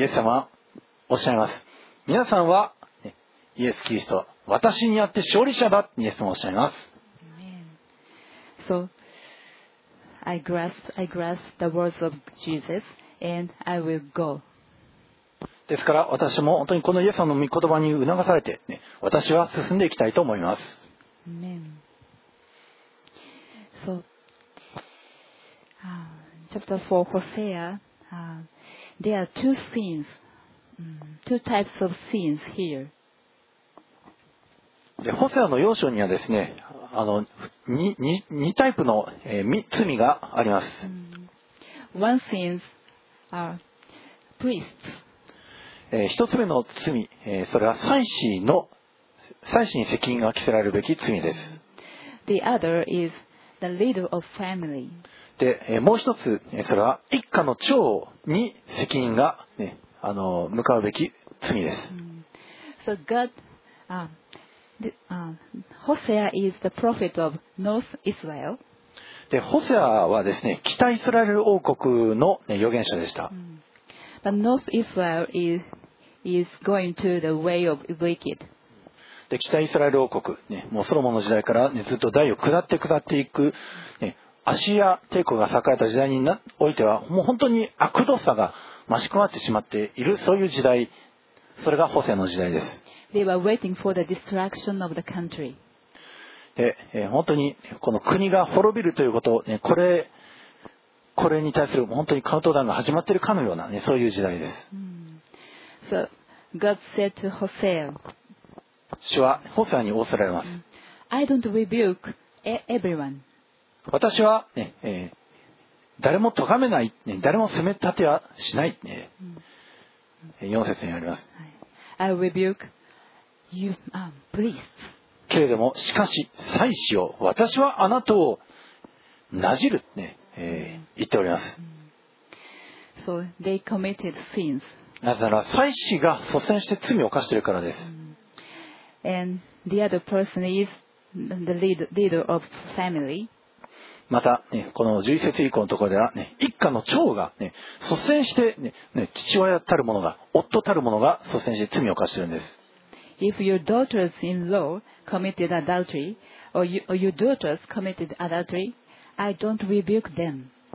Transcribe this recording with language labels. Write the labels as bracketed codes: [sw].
[ja] イエス様はおっしゃいます。皆さんはイエスキリスト、私にあって勝利者だ、イエスもおっしゃいます。 [en] So, I grasp the words of Jesus, and I will go. [ja] ですから私も本当にこのイエス様の御言葉に促されて、ね、私は進んでいきたいと思います。 [en] Amen. So, chapter 4, Hosea, There are two sins, two types of sins here. [ja] で、ホセアの要書にはですね、あの、2タイプの、罪があります。 [en] One sins are priests. [ja] 一つ目の罪、それは祭司に責任が着せられるべき罪です。 [en] The other is the leader of family. [ja] で、もう一つ、それは一家の長に責任が、ね、あの、向かうべき罪です。 [en] So God, Hosea is the prophet of North Israel. [ja] で、ホセアはですね、北イスラエル王国の、ね、預言者でした。 [en] But North Israel is going to the way of wicked. [ja] で、北イスラエル王国、ね、もうソロモンの時代から、ね、ずっと台を下っていく、ね、アシア帝国が栄えた時代においては、もう本当に悪どさが増し加わってしまっている、そういう時代、それがホセアの時代です。 [en] They were waiting for the destruction of the country. [ja] で、本当にこの国が滅びるということを、ね、これに対する本当にカウントダウンが始まっているかのような、ね、そういう時代です。 [en] So, God said to Hosea, [ja] 主はホセアに仰せられます。 [en] I don't rebuke everyone. [ja] 私は、ね、誰も咎めない、ね、誰も責め立てはしない、ね、4節にあります。 [en] I rebuke you, priests. [ja] けれども、しかし、祭司を、私はあなたをなじる、ね、言っております。 [en] So they committed sins. [ja] なぜなら、祭司が率先して罪を犯しているからです。 [en] And the other person is the leader of family. [ja] また、ね、この11節以降のところでは、ね、一家の長が、ね、率先して、ねね、父親たる者が、夫たる者が率先して罪を犯しているんです。 [en] If your daughters-in-law committed adultery, or your daughters committed adultery, I don't rebuke them.